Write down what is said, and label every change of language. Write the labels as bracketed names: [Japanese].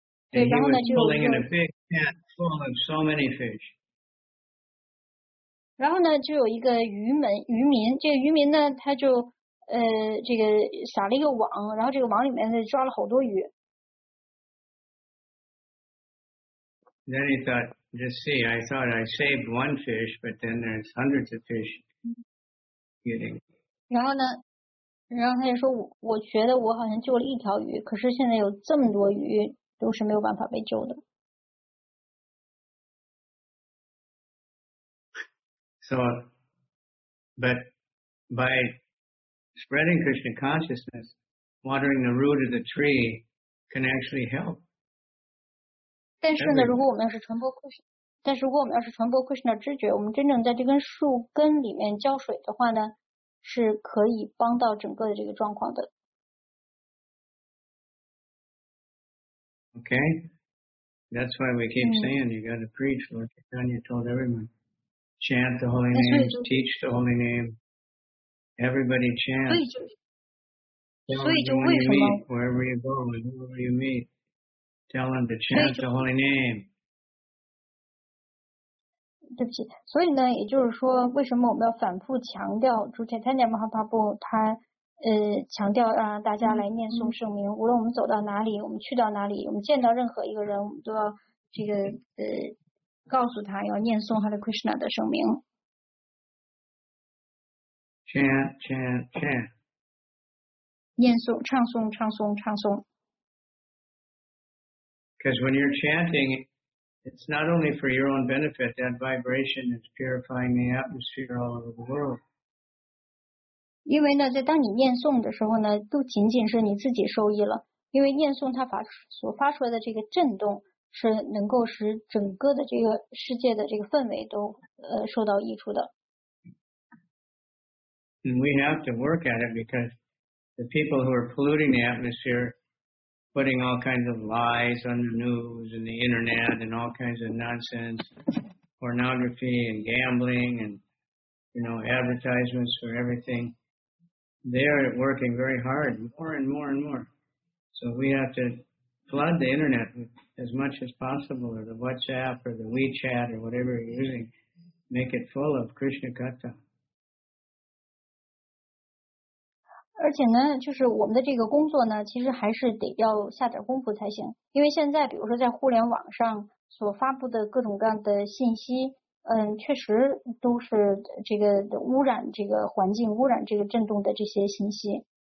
[Chinese] 对，然后呢就 [English] pulling in a big net full of so many fish. [Chinese] 然后呢就有一个渔民，这个渔民呢他就。这个撒了一个网，然后这个网里面抓了好多鱼。 [English] Then he thought, just see, I thought I saved one fish, but then there's hundreds of fish getting. [Chinese] 然后呢，然后他就说，我觉得我好像救了一条鱼，可是现在有这么多鱼都是没有办法被救的。 [English] So, but by spreading Krishna consciousness, watering the root of the tree can actually help. [Chinese] 但是呢，如果我们要是传播 Krishna， 但是如果我们要是传播 Krishna 知觉，我们真正在这根树根里面浇水的话呢，是可以帮到整个的这个状况的。 [English] Okay, that's why we keep saying you got to preach. Lord Chaitanya told everyone, chant the holy names, teach the holy name. Everybody chants. Wherever you go, whoever you meet, tell them to chant the holy name. [Chinese] 对不起，所以呢，也就是说，为什么我们要反复强调主持人参加马哈帕布他强调让大家来念诵圣名。无论我们走到哪里，我们去到哪里，我们见到任何一个人，我们都要这个告诉他要念诵他的 Krishna 的圣名。 [English] Chant. [Chinese] 念诵，唱诵，唱诵，唱诵。 [English] Because when you're chanting, it's not only for your own benefit. That vibration is purifying the atmosphere all over the world. [Chinese] 因为呢，在当你念诵的时候呢，不仅仅是你自己受益了，因为念诵它所发出来的这个震动，是能够使整个的这个世界的这个氛围都受到益处的。 [English] And we have to work at it because the people who are polluting the atmosphere, putting all kinds of lies on the news and the internet and all kinds of nonsense, pornography and gambling and, you know, advertisements for everything, they're working very hard, more and more and more. So we have to flood the internet as much as possible, or the WhatsApp or the WeChat or whatever you're using, make it full of Krishna Katha. [Chinese] 而且呢，就是我们的这个工作呢，其实还是得要下点功夫才行。因为现在，比如说在互联网上所发布的各种各样的信息，确实都是这个污染这个环境、污染这个震动的这些信息，